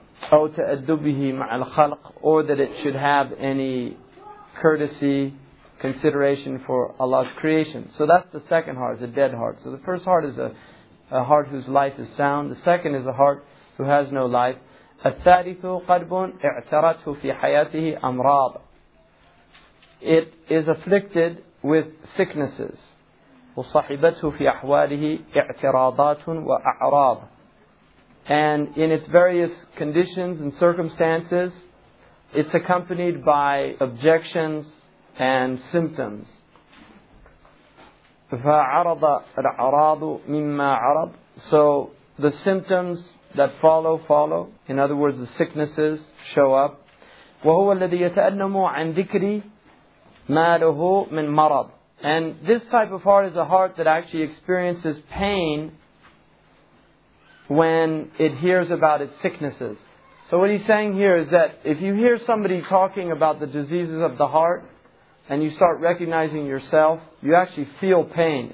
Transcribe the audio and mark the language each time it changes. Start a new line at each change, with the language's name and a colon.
Arabic: أو تأدبه مع الخلق.
English: Or that it should have any courtesy, consideration for Allah's creation. So that's the second heart, it's a dead heart. So the first heart is a heart whose life is sound. The second is a heart who has no life.
Arabic: الثالث قلب اعترته في حياته أمراض.
English: It is afflicted with sicknesses.
Arabic: وصاحبته في أحواله اعتراضات وأعراض.
English: And in its various conditions and circumstances, it's accompanied by objections and symptoms.
Arabic: فعرض الأعراض مما عرض.
English: So the symptoms that follow. In other words, the sicknesses show up.
Arabic: وهو الذي يتألم عن ذكر ما له من مرض.
English: And this type of heart is a heart that actually experiences pain when it hears about its sicknesses. So what he's saying here is that if you hear somebody talking about the diseases of the heart and you start recognizing yourself, you actually feel pain.